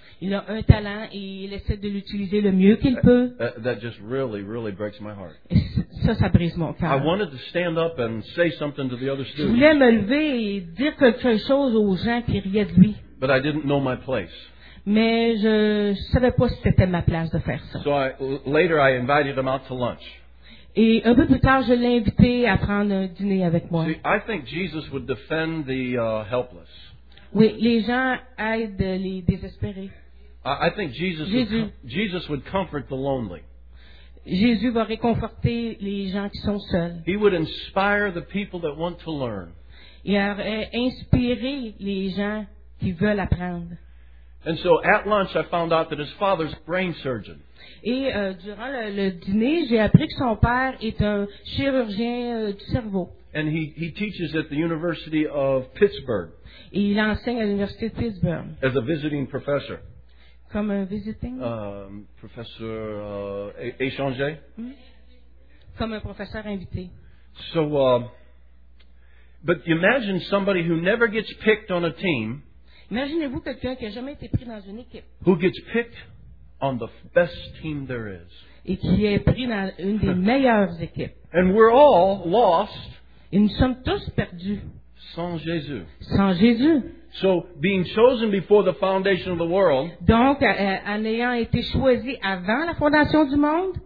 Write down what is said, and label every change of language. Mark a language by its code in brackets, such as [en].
[fr] Il a un talent et il essaie de l'utiliser le mieux qu'il peut. [en] That just really, really breaks my heart. [fr] Ça brise mon cœur. [en] I wanted to stand up and say something to the other students. [fr] Je voulais me lever et dire quelque chose aux gens qui riaient de lui. [en] But I didn't know my place. [fr] Mais je ne savais pas si c'était ma place de faire ça. [en] So later I invited him out to lunch. [fr] Et un peu plus tard, je l'ai invité à prendre un dîner avec moi. [en] See, I think Jesus would defend the helpless. [fr] Oui, les gens aident les désespérés. [en] I think Jesus would comfort the lonely. [fr] Jésus va réconforter les gens qui sont seuls. [en] He would inspire the people that want to learn. [fr] Il aurait inspiré les gens qui veulent apprendre. [en] And so at lunch, I found out that his father's brain surgeon. [fr] Et durant le dîner, j'ai appris que son père est un chirurgien du cerveau. [en] And he teaches at the University of Pittsburgh. [fr] Et il enseigne à l'Université de Pittsburgh. [en] As a visiting professor. [fr] Comme un visiting? Professeur échangé. Comme un professeur invité. [en] So, but imagine somebody who never gets picked on a team. [fr] Imaginez-vous quelqu'un qui n'a jamais été pris dans une équipe. [en] Who gets picked on the best team there is. [fr] Et qui est pris dans une des meilleures équipes. [en] And we're all lost. [fr] Et nous sommes tous perdus. Sans Jésus. Sans Jésus. [en] So, being chosen before the foundation of the world. [fr] Donc, en ayant été choisi avant la fondation du monde.